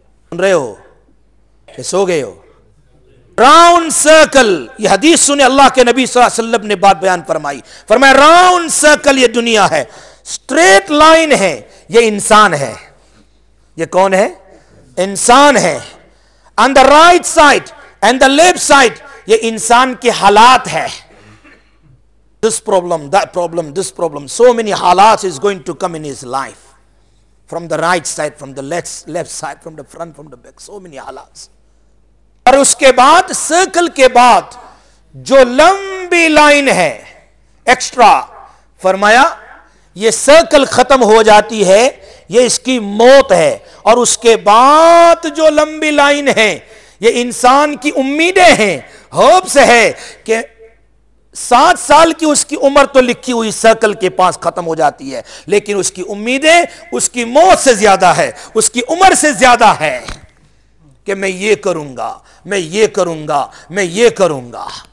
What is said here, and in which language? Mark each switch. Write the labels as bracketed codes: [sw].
[ur] سن رہے ہو کہ سو گئے ہو؟ راؤنڈ سرکل, یہ حدیث سنے اللہ کے نبی صلی اللہ علیہ وسلم نے بات بیان فرمائی, فرمایا راؤنڈ سرکل یہ دنیا ہے, سٹریٹ لائن ہے یہ انسان ہے. یہ کون ہے؟ انسان ہے. [en] on the right side and the left side [ur] یہ انسان کے حالات ہے. [en] This problem, that problem, this problem, so many حالات is going to come in his life, from the right side, from the left side, from the front, from the back, so many حالات. [ur] اور اس کے بعد circle کے بعد جو لمبی line ہے ایکسٹرا, فرمایا یہ سرکل ختم ہو جاتی ہے, یہ اس کی موت ہے. اور اس کے بعد جو لمبی لائن ہے یہ انسان کی امیدیں ہیں, ہوپس ہے کہ 7 سال کی اس کی عمر تو لکھی ہوئی سرکل کے پاس ختم ہو جاتی ہے, لیکن اس کی امیدیں اس کی موت سے زیادہ ہے, اس کی عمر سے زیادہ ہے کہ میں یہ کروں گا, میں یہ کروں گا, میں یہ کروں گا.